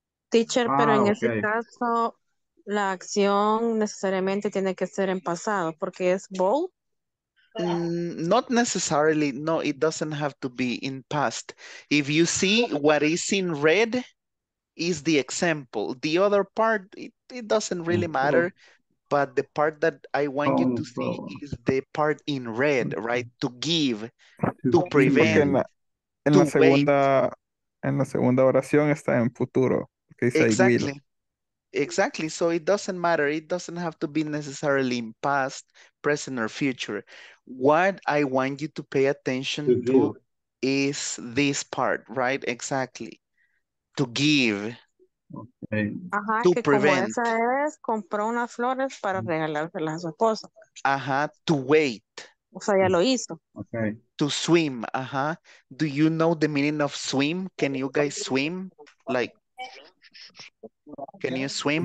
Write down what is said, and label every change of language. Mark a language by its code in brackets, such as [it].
[es] Teacher, pero en ese caso, la acción necesariamente tiene que ser en pasado, porque es bought. [en] Not necessarily. No, it doesn't have to be in past. If you see what is in red is the example. The other part, it doesn't really matter. But the part that I want you to see is the part in red, right? To give, to prevent. Okay, [es] en la segunda oración está en futuro. [en] Exactly. Exactly. So it doesn't matter. It doesn't have to be necessarily in past, present, or future. What I want you to pay attention to is this part, right? Exactly. To give. Okay. Ajá, to que prevent. [es] Como esa es, compró unas flores para regalárselas a su esposa. [en] Ajá, to wait. [es] O sea, ya lo hizo. [en] Okay. To swim, ajá. Do you know the meaning of swim? Can you guys swim? Like, can you swim?